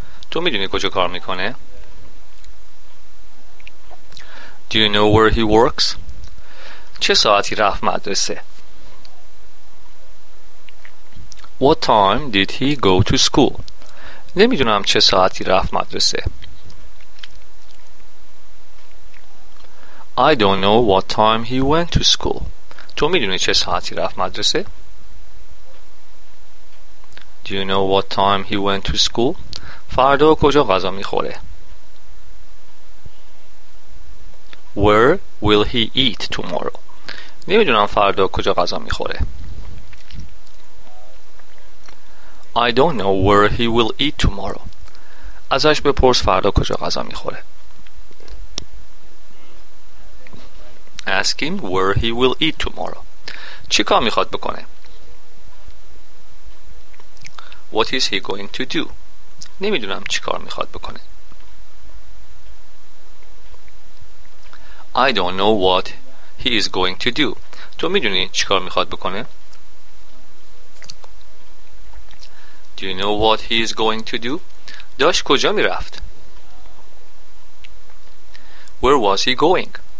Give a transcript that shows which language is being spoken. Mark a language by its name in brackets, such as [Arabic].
[Persian] تو میدونی کجا کار میکنه؟ [English] Do you know where he works؟ [Persian] چه ساعتی رفت مدرسه؟ [English] What time did he go to school؟ [Persian] نمیدونم چه ساعتی رفت مدرسه. [English] I don't know what time he went to school. [Persian] تو میدونی چه ساعتی رفت مدرسه؟ [English] Do you know what time he went to school؟ [Persian] فردا کجا غذا میخوره؟ [English] Where will he eat tomorrow؟ [Persian] نمیدونم فردا کجا غذا میخوره. [English] I don't know where he will eat tomorrow. [Persian] ازش بپرس فردا کجا غذا میخوره. [English] Ask him where he will eat tomorrow. [Persian] چی کار میخواد بکنه؟ [English] What is he going to do? [Persian] نمیدونم چی کار میخواد بکنه. [English] I don't know what he is going to do. [Persian] تو میدونی چی کار میخواد بکنه؟ [English] Do you know what he is going to do? [Persian] داشت کجا میرفت؟ [English] Where was he going?